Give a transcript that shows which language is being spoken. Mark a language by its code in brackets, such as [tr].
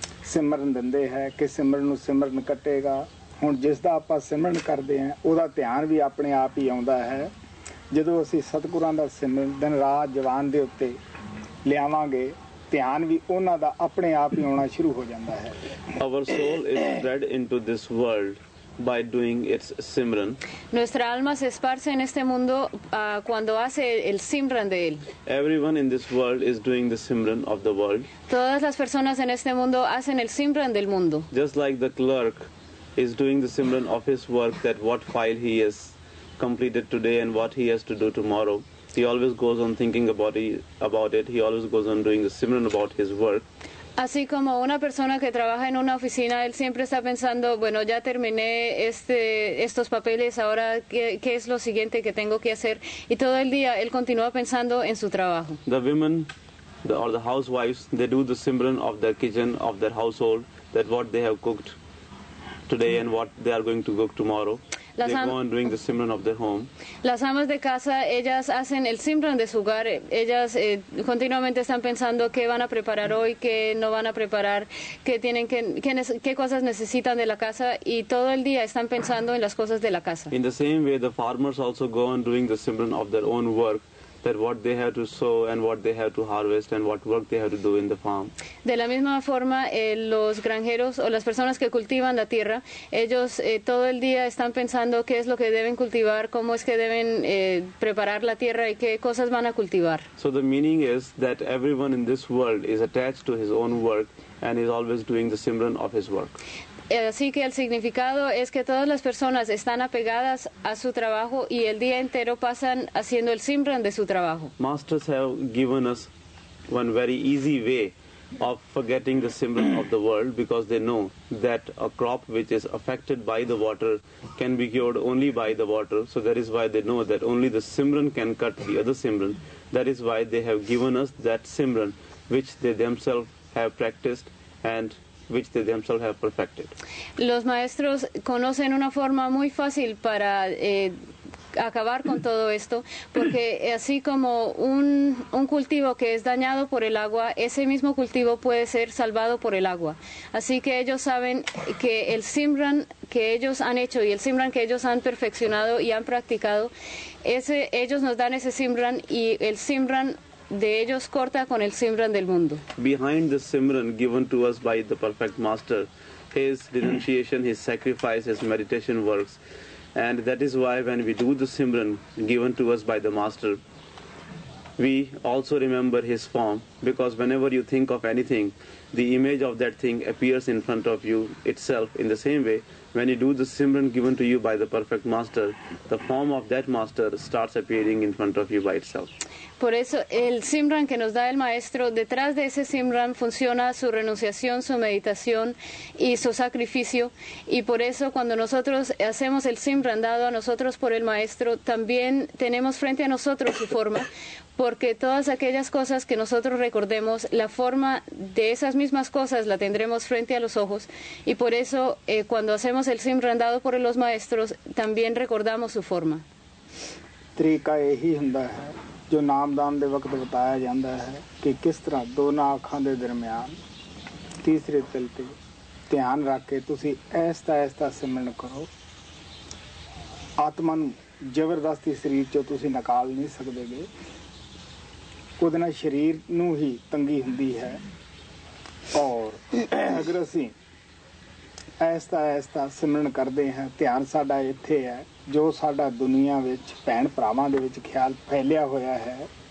[pa] ਸਿਮਰਨ ਦਿੰਦੇ ਹੈ ਕਿ ਸਿਮਰਨ ਨੂੰ ਸਿਮਰਨ ਕੱਟੇਗਾ ਹੁਣ ਜਿਸਦਾ ਆਪਾਂ ਸਿਮਰਨ ਕਰਦੇ ਹਾਂ ਉਹਦਾ ਧਿਆਨ ਵੀ ਆਪਣੇ ਆਪ ਹੀ ਆਉਂਦਾ ਹੈ ਜਦੋਂ ਅਸੀਂ ਸਤਿਗੁਰਾਂ ਦਾ ਸਿਮਰਨ ਦਿਨ ਰਾਤ ਜਵਾਨ ਦੇ ਉੱਤੇ ਲਿਆਵਾਂਗੇ ਧਿਆਨ ਵੀ ਉਹਨਾਂ ਦਾ ਆਪਣੇ ਆਪ ਹੀ ਆਉਣਾ ਸ਼ੁਰੂ ਹੋ ਜਾਂਦਾ ਹੈ [en] Our soul is spread into this world by doing its simran. [es] Nuestra alma se esparce en este mundo cuando hace el simran de él. [en] Everyone in this world is doing the simran of the world. [es] Todas las personas en este mundo hacen el simran del mundo. [en] Just like the clerk is doing the simran of his work that what file he has completed today and what he has to do tomorrow. He always goes on thinking about it. He always goes on doing the simran about his work. [es] Así como una persona que trabaja en una oficina, él siempre está pensando, bueno, ya terminé estos papeles, ahora qué es lo siguiente que tengo que hacer. Y todo el día él continúa pensando en su trabajo. [en] The women, or the housewives, they do the simran of their kitchen, of their household, that what they have cooked today and what they are going to cook tomorrow. They go on doing the simran of their home. [es] Las amas de casa, ellas hacen el simran de su hogar. Ellas continuamente están pensando qué van a preparar hoy, qué no van a preparar, qué cosas necesitan de la casa y todo el día están pensando en las cosas de la casa. [en] In the same way, the farmers also go on doing the simran of their own work. That what they have to sow and what they have to harvest and what work they have to do in the farm. [es] De la misma forma, los granjeros o las personas que cultivan la tierra, ellos todo el día están pensando qué es lo que deben cultivar, cómo es que deben preparar la tierra y qué cosas van a cultivar. [en] So the meaning is that everyone in this world is attached to his own work and is always doing the simran of his work. [es] Así que el significado es que todas las personas están apegadas a su trabajo y el día entero pasan haciendo el simran de su trabajo. [en] Masters have given us one very easy way of forgetting the simran of the world because they know that a crop which is affected by the water can be cured only by the water. So that is why they know that only the simran can cut the other simran. That is why they have given us that simran which they themselves have practiced and which they themselves have perfected. [es] Los maestros conocen una forma muy fácil para acabar con todo esto, porque así como un cultivo que es dañado por el agua, ese mismo cultivo puede ser salvado por el agua. Así que ellos saben que el simran que ellos han hecho y el simran que ellos han perfeccionado y han practicado, ellos nos dan ese simran y el simran de ellos corta con el simran del mundo. [en] Behind the simran given to us by the perfect master, his renunciation, his sacrifice, his meditation works. And that is why when we do the simran given to us by the master, we also remember his form. Because whenever you think of anything, the image of that thing appears in front of you itself. In the same way, when you do the simran given to you by the perfect master, the form of that master starts appearing in front of you by itself. [es] Por eso el simran que nos da el maestro, detrás de ese simran funciona su renunciación, su meditación y su sacrificio. Y por eso cuando nosotros hacemos el simran dado a nosotros por el maestro, también tenemos frente a nosotros su forma, porque todas aquellas cosas que nosotros recordemos, la forma de esas mismas cosas la tendremos frente a los ojos, y por eso cuando hacemos el Simran dado por los maestros, también recordamos su forma. [pa] Trika ehi hunda hai, jo naam daan de waqt bataya janda hai, ki kis tarah do na akhaan de darmiyan, teesre dil te dhyan rakh ke tusi aista aista simran karo, atman ਜ਼ਬਰਦਸਤੀ ਸਰੀਰ 'ਚੋਂ ਤੁਸੀਂ ਨਿਕਾਲ ਨਹੀਂ ਸਕਦੇ ਗੇ ਉਹਦੇ ਨਾਲ ਸਰੀਰ ਨੂੰ ਹੀ ਤੰਗੀ ਹੁੰਦੀ ਹੈ ਔਰ ਅਗਰ ਅਸੀਂ ਆਹਿਸਤਾ ਆਹਿਸਤਾ ਸਿਮਰਨ ਕਰਦੇ ਹਾਂ ਧਿਆਨ ਸਾਡਾ ਇੱਥੇ ਹੈ ਜੋ ਸਾਡਾ ਦੁਨੀਆਂ ਵਿੱਚ ਭੈਣ ਭਰਾਵਾਂ ਦੇ ਵਿੱਚ ਖਿਆਲ ਫੈਲਿਆ ਹੋਇਆ ਹੈ